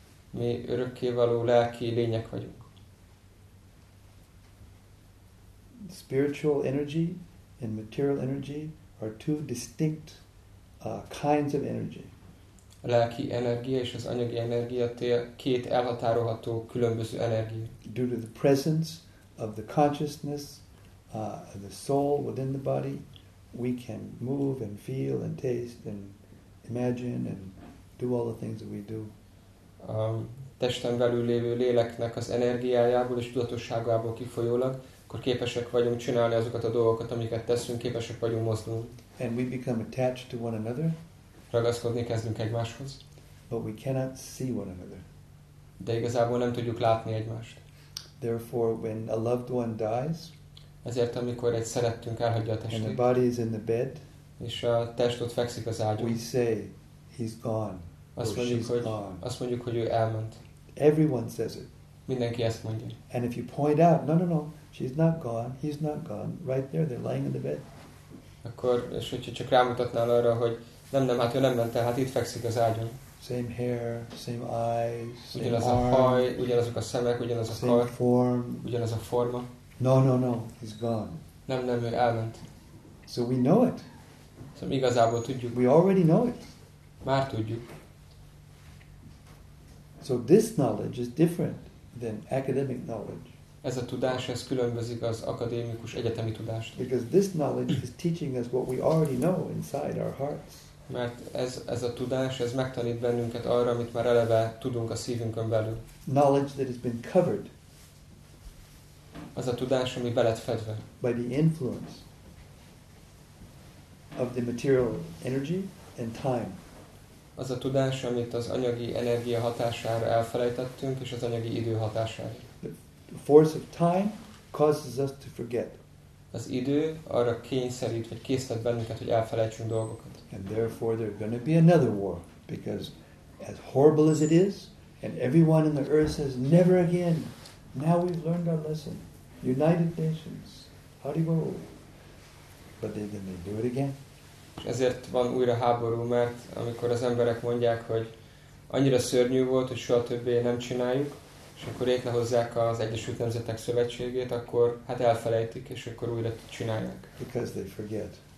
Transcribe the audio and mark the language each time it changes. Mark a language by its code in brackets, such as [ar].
[hu] Mi örökkévaló lelki lények vagyunk. [en] Spiritual energy and material energy are two distinct kinds of energy. [hu] A lelki energia és az anyagi energia két elhatárolható különböző energia. [en] Due to the presence of the consciousness, the soul within the body, we can move and feel and taste and imagine and do all the things that we do. [hu] A testen belül lévő léleknek az energiájából és tudatosságából kifolyólag, akkor képesek vagyunk csinálni azokat a dolgokat, amiket teszünk, képesek vagyunk mozdulni. [en] And we become attached to one another. [hu] Ragaszkodni kezdünk egymáshoz. [en] But we cannot see one another. [hu] De igazából nem tudjuk látni egymást. [en] Therefore, when a loved one dies, [hu] ezért amikor egy szerettünk elhagyja a testét, [en] and the body is in the bed, [hu] és a test ott fekszik az ágyon, [en] we say, he's gone. [hu] Azt mondjuk, hogy ő elment. [en] Everyone says it. [hu] Mindenki ezt mondja. [en] And if you point out, no, she's not gone, he's not gone, right there, they're lying in the bed. [hu] Akkor, és hogyha csak rámutatnál arra, hogy nem, hát ő nem ment el, hát itt fekszik az ágyon. [en] Same hair, same eyes, same [hu] ugyanaz [en] arm. [hu] Ugyanaz a haj, ugyanazok a szemek, ugyanaz a [en] same [hu] kar. [en] Same form. [hu] Ugyanaz a forma. [en] No, he's gone. [hu] Nem, ő elment. [en] So we know it. [hu] Szóval igazából tudjuk. [en] We already know it. [hu] Már tudjuk. [en] So this knowledge is different than academic knowledge. [hu] Ez a tudás, ez különbözik az akadémikus egyetemi tudástól. [en] Because this knowledge is teaching us what we already know inside our hearts. [hu] Mert ez a tudás, ez megtanít bennünket arra, amit már eleve tudunk a szívünkön belül. [en] Knowledge that has been covered. [hu] Az a tudás, ami be lett fedve. [en] By the influence of the material energy and time. [hu] Az a tudás, amit az anyagi energia hatására elfelejtettünk, és az anyagi idő hatására. [en] The force of time causes us to forget. [hu] Az idő arra kényszerít, vagy késztet bennünket, hogy elfelejtsünk dolgokat. [en] And therefore there's going to be another war, because as horrible as it is, and everyone in the earth says, never again, now we've learned our lesson, United Nations, how do you go? But they're going to do it again. [hu] És ezért van újra háború, mert amikor az emberek mondják, hogy annyira szörnyű volt, hogy soha többé nem csináljuk, és akkor létrehozzák az Egyesült Nemzetek Szövetségét, akkor hát elfelejtik, és akkor újra csinálják. [en] Because they forget.